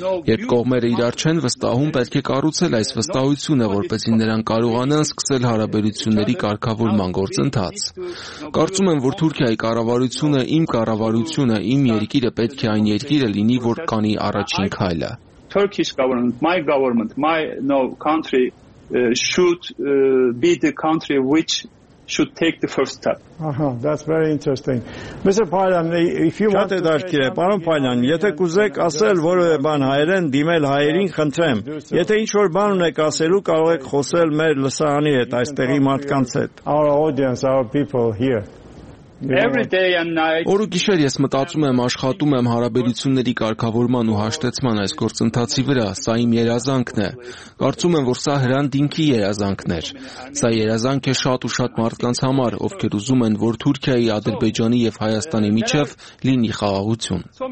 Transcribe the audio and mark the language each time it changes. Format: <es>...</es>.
<hy>Երբ կողմերը իրար չեն վստահում, պետք է կառուցել այս վստահությունը, որպեսզի նրանք կարողանան սկսել հարաբերությունների կարգավորման գործընթաց։ Կարծում եմ, որ Թուրքիայի կառավարությունը, իմ կառավարությունը, իմ երկիրը պետք է երկիրը լինի, որ կանի առաջին քայլը։</hy> <en>Turkish government, my government, my no country should be the country which should take the first step. That's very interesting. Mr. Paylan, if you want to ask</en> <hy>me, պարոն Փայլյան, եթե կուզեք ասել որևէ բան հայերեն, դիմել հայերին, խնդրեմ։ Եթե ինչ-որ բան ունեք ասելու, կարող եք խոսել մեր լսարանի հետ, այստեղի մարդկանց հետ։</hy> <en>Our audience, our people here. Every day and night.</en> <hy>Օր ու գիշեր ես մտածում եմ, աշխատում եմ հարաբերությունների կարգավորման ու հաշտեցման այս գործընթացի վրա, սա իմ երազանքն է։ Կարծում եմ, որ սա հրան դինքի երազանքներ։ Սա երազանք է շատ ու շատ մարդկանց համար, ովքեր ուզում են, որ Թուրքիայի, Ադրբեջանի եւ Հայաստանի միջև լինի խաղաղություն։</hy>